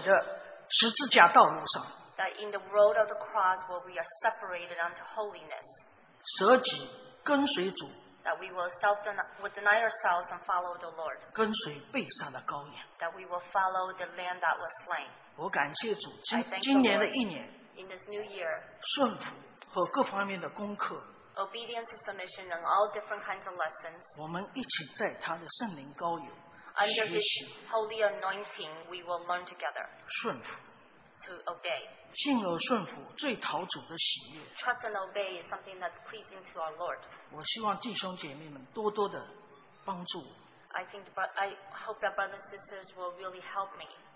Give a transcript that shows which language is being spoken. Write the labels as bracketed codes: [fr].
[zh] 帮我们不断的在圣灵的分别为圣的天天舍己的十字架道路上。 [en] That in the road of the cross where we are separated unto holiness. [zh] 舍己跟随主。 [en] That we will self-deny ourselves and follow the Lord. [zh] 跟随被杀的羔羊。 [en] That we will follow the lamb that was slain. [zh] 我感谢主，今年的一年， [en] in this new year, [zh] 顺服和各方面的功课， [en] obedience and submission and all different kinds of lessons, [zh] 我们一起在他的圣灵膏油， [en] under his holy anointing, we will learn together. [zh] 顺服， [en] to obey. [zh] 信而顺服，最讨主的喜悦。 [en] Trust and obey is something that's pleasing to our Lord. [zh] 我希望弟兄姐妹们多多的帮助我。 [en] I hope that brothers and sisters will really help me.